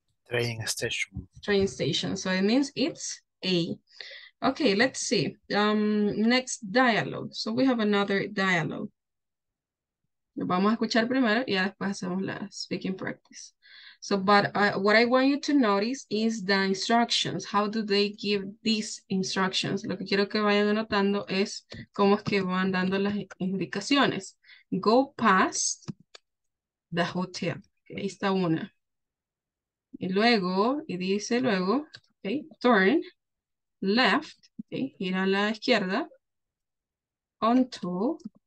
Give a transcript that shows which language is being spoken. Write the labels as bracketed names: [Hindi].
[English] Train station. Train station. So it means it's A. Okay, let's see. Next dialogue. So we have another dialogue. [Spanish] Lo vamos a escuchar primero y ya después hacemos la speaking practice. [English] So, but what I want you to notice is the instructions. How do they give these instructions? [Spanish] Lo que quiero que vayan anotando es cómo es que van dando las indicaciones. [English] Go past the hotel. Okay, [Spanish] ahí está una. Y luego, y dice luego, okay, [English] turn left, [Spanish] okay, ir a la izquierda, onto.